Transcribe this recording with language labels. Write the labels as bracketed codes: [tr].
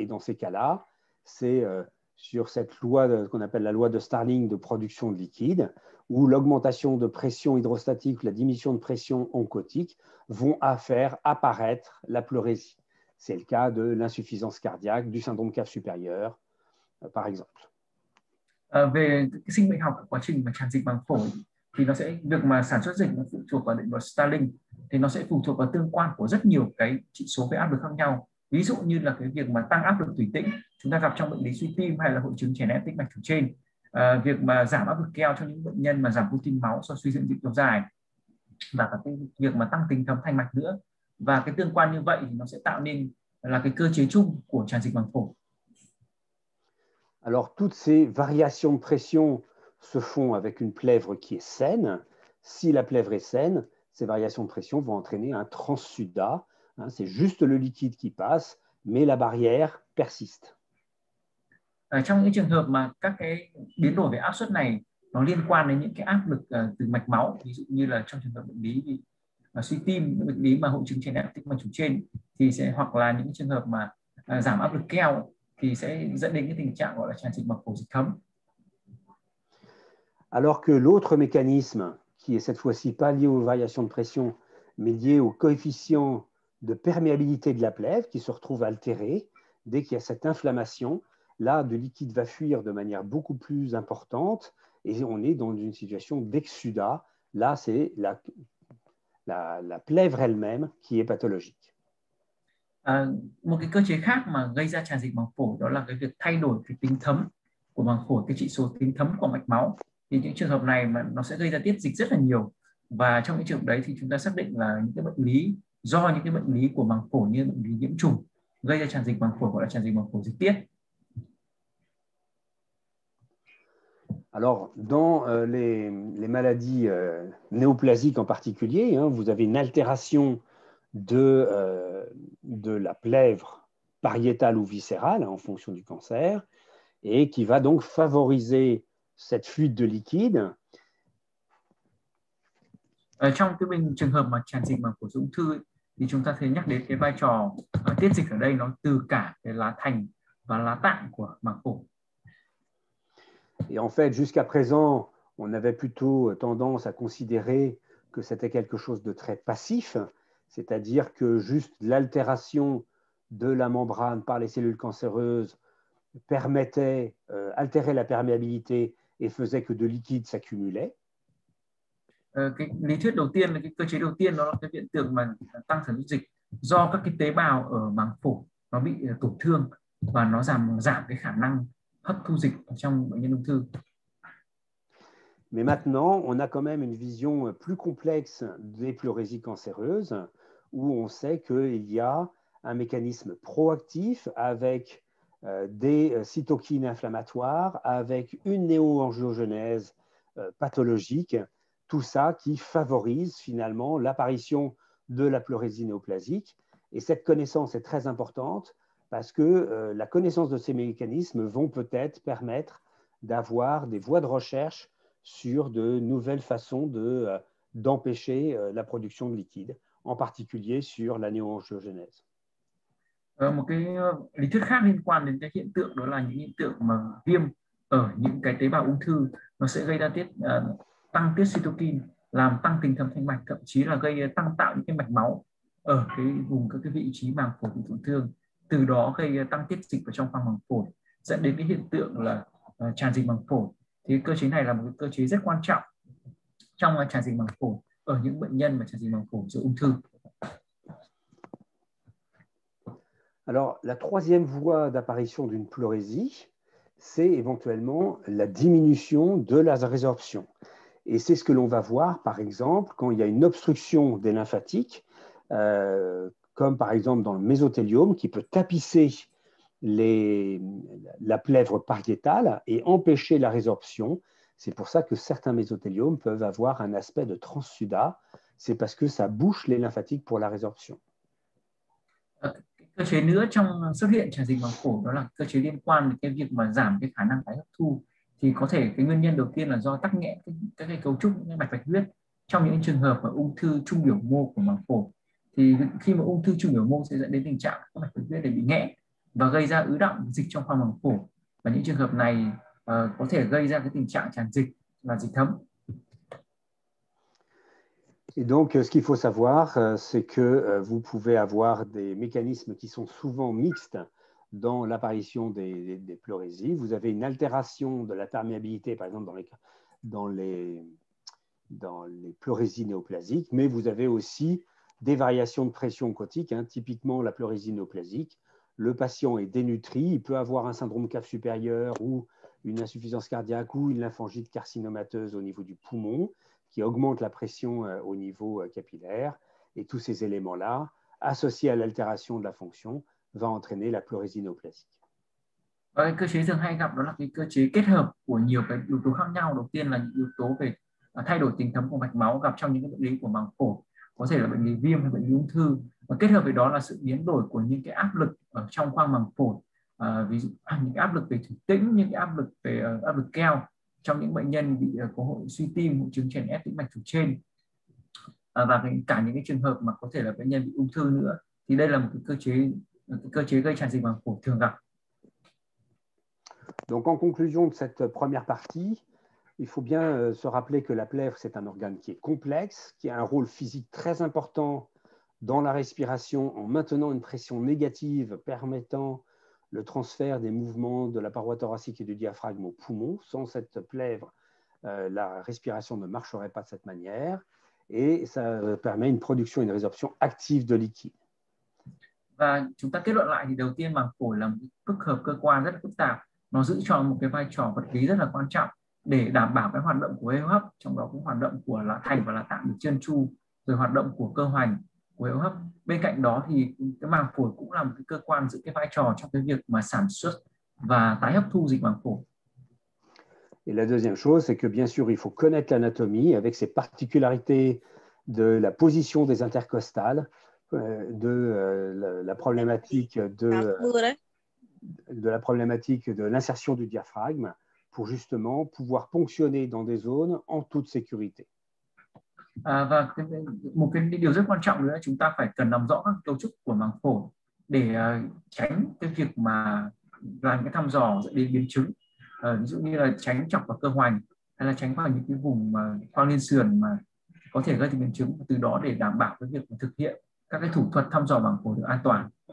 [fr] Et dans ces cas-là, c'est sur cette loi qu'on appelle la loi de Starling de production de liquide, où l'augmentation de pression hydrostatique ou la diminution de pression oncotique vont faire apparaître la pleurésie. C'est le cas de l'insuffisance cardiaque, du syndrome cave supérieure, par exemple. [vi] Về cái sinh bệnh học của quá trình mà tràn dịch màng phổi thì nó sẽ việc mà sản xuất dịch nó phụ thuộc vào định luật Starling, thì nó sẽ phụ thuộc vào tương quan của rất nhiều cái chỉ số về áp lực khác nhau, ví dụ như là cái việc mà tăng áp lực tủy tĩnh chúng ta gặp trong bệnh lý suy tim hay là hội chứng chèn ép tĩnh mạch chủ trên, việc mà giảm áp lực keo cho những bệnh nhân mà giảm protein máu sau suy dinh dưỡng lâu dài, và cả cái việc mà tăng tính thấm thành mạch nữa, và cái tương quan như vậy thì nó sẽ tạo nên là cái cơ chế chung của tràn dịch màng phổi. [fr] Alors, toutes ces variations de pression se font avec une plèvre qui est saine. Si la plèvre est saine, ces variations de pression vont entraîner un transsudat. Hein, c'est juste le liquide qui passe, mais la barrière persiste. [vi] Trong những trường hợp mà các cái biến đổi về áp suất này nó liên quan đến những cái áp lực từ mạch máu, ví dụ như là trong trường hợp bệnh lý suy tim, bệnh lý mà hội chứng chèn ép tĩnh mạch chủ trên, thì sẽ hoặc là những trường hợp mà giảm áp lực keo thì sẽ dẫn đến cái tình trạng gọi là tràn dịch màng phổi dịch thấm. [fr] Alors que l'autre mécanisme, qui est cette fois-ci pas lié aux variations de pression, mais lié au coefficient de perméabilité de la plèvre, qui se retrouve altéré dès qu'il y a cette inflammation, là, du liquide va fuir de manière beaucoup plus importante et on est dans une situation d'exsudat. Là, c'est la plèvre elle-même qui est pathologique. [vi] Một cái cơ chế khác mà gây ra tràn dịch màng phổi đó là cái việc thay đổi cái tính thấm của màng phổi, cái chỉ số tính thấm của mạch máu. Thì những trường hợp này mà nó sẽ gây ra tiết dịch rất là nhiều, và trong những trường hợp đấy thì chúng ta xác định là những cái bệnh lý do những cái bệnh lý của màng phổi như bệnh lý nhiễm trùng gây ra tràn dịch màng phổi, gọi là tràn dịch màng phổi dịch tiết. [fr] Alors, dans les maladies néoplasiques en particulier, hein, vous avez une altération de la plèvre pariétale ou viscérale, hein, en fonction du cancer, et qui va donc favoriser cette fuite de liquide. [vi] Trong cái bệnh trường hợp mà tràn dịch màng phổi ung thư ấy, thì chúng ta thấy nhắc đến cái vai trò tiết dịch ở đây nó từ cả cái lá thành và lá tạng của màng phổi. [fr] Et en fait, jusqu'à présent, on avait plutôt tendance à considérer que c'était quelque chose de très passif, c'est-à-dire que juste l'altération de la membrane par les cellules cancéreuses permettait, altérait la perméabilité et faisait que de liquide s'accumulait. [vi] Cái lý thuyết đầu tiên là cái cơ chế đầu tiên nó là cái hiện tượng mà tăng sản xuất dịch do các cái tế bào ở màng phổi nó bị tổn thương và nó giảm cái khả năng hấp thu dịch ở trong bệnh nhân ung thư. [fr] Mais maintenant, on a quand même une vision plus complexe des pleurésies cancéreuses, où on sait qu'il y a un mécanisme proactif avec des cytokines inflammatoires, avec une néo-angiogenèse pathologique, tout ça qui favorise finalement l'apparition de la pleurésie néoplasique. Et cette connaissance est très importante parce que la connaissance de ces mécanismes vont peut-être permettre d'avoir des voies de recherche sur de nouvelles façons d'empêcher la production de liquide, en particulier sur la néoangiogenèse. [vi] Một cái lý thuyết khác liên quan đến cái hiện tượng đó là những hiện tượng mà viêm ở những cái tế bào ung thư nó sẽ gây ra tăng tiết cytokine, làm tăng tính thấm thành mạch, thậm chí là gây tăng tạo những cái mạch máu ở cái vùng các cái vị trí màng phổi bị tổn thương, từ đó gây tăng tiết dịch vào trong khoang màng phổi, dẫn đến cái hiện tượng là tràn dịch màng phổi. Thì cơ chế này là một cái cơ chế rất quan trọng trong tràn dịch màng phổi ở những bệnh nhân mà tràn dịch màng phổi do ung thư. [fr] Alors, la troisième voie d'apparition d'une pleurésie, c'est éventuellement la diminution de la résorption. Et c'est ce que l'on va voir, par exemple, quand il y a une obstruction des lymphatiques, comme par exemple dans le mésothéliome, qui peut tapisser la plèvre pariétale et empêcher la résorption. C'est pour ça que certains mésothéliomes peuvent avoir un aspect de transsudat. C'est parce que ça bouche les lymphatiques pour la résorption. [vi] Cơ chế nữa trong xuất hiện tràn dịch màng phổi đó là cơ chế liên quan đến cái việc mà giảm cái khả năng tái hấp thu, thì có thể cái nguyên nhân đầu tiên là do tắc nghẽn cái cấu trúc cái mạch bạch huyết trong những trường hợp mà ung thư trung biểu mô của màng phổi. Thì khi mà ung thư trung biểu mô sẽ dẫn đến tình trạng các mạch bạch huyết để bị nghẽn và gây ra ứ đọng dịch trong khoang màng phổi, và những trường hợp này có thể gây ra cái tình trạng tràn dịch và dịch thấm. [fr] Et donc, ce qu'il faut savoir, c'est que vous pouvez avoir des mécanismes qui sont souvent mixtes dans l'apparition des pleurésies. Vous avez une altération de la perméabilité, par exemple, dans les pleurésies néoplasiques, mais vous avez aussi des variations de pression quotique, hein, typiquement la pleurésie néoplasique. Le patient est dénutri, il peut avoir un syndrome cave supérieur ou une insuffisance cardiaque ou une lymphangite carcinomateuse au niveau du poumon, qui augmente la pression au niveau capillaire. Et tous ces éléments-là, associés à l'altération de la fonction, va entraîner la pleurésie néoplasique. [vi] Cái cơ chế thường hay gặp đó là cái cơ chế kết hợp của nhiều cái yếu tố khác nhau. Đầu tiên là những yếu tố về thay đổi tính thấm của mạch máu gặp trong những cái bệnh lý của màng phổi, có thể là bệnh lý viêm hay bệnh lý ung thư, và kết hợp với đó là sự biến đổi của những cái áp lực ở trong khoang màng phổi, ví dụ những áp lực về thủy tĩnh, những cái áp lực về áp lực keo trong những bệnh nhân bị có hội suy tim, hội chứng chèn ép tĩnh mạch chủ trên, và cả những cái trường hợp mà có thể là bệnh nhân bị ung thư nữa, thì đây là một cái cơ chế gây tràn dịch màng phổi thường gặp. [fr] Donc, en conclusion de cette première partie, il faut bien se rappeler que la plèvre, c'est un organe qui est complexe, qui a un rôle physique très important dans la respiration en maintenant une pression négative permettant le transfert des mouvements de la paroi thoracique et du diaphragme au poumon. Sans cette plèvre, la respiration ne marcherait pas de cette manière et ça permet une production et une résorption active de liquide. [vi] Và chúng ta kết luận lại thì đầu tiên màng phổi là một phức hợp cơ quan rất phức tạp, nó giữ cho một cái vai trò vật lý rất là quan trọng để đảm bảo cái hoạt động của hệ hô hấp, trong đó cũng hoạt động của lá thành và lá tạng được trơn tru, rồi hoạt động của cơ hoành của hệ hô hấp. Bên cạnh đó thì cái màng phổi cũng là một cái cơ quan giữ cái vai trò trong cái việc mà sản xuất và tái hấp thu dịch màng phổi. [fr] Et la deuxième chose, c'est que bien sûr, il faut connaître l'anatomie avec ses particularités de la position des intercostales, de l'insertion du diaphragme pour justement pouvoir ponctionner dans des zones en toute sécurité. [vi] Và một cái điều rất quan trọng nữa, chúng ta phải cần nắm rõ các cấu trúc của màng phổi để tránh cái việc mà làm cái thăm dò dẫn đến biến chứng, ví dụ như là tránh chọc vào cơ hoành hay là tránh vào những cái vùng mà khoang liên sườn mà có thể gây biến chứng, từ đó để đảm bảo cái việc thực hiện các cái thủ thuật thăm dò màng phổi được an toàn.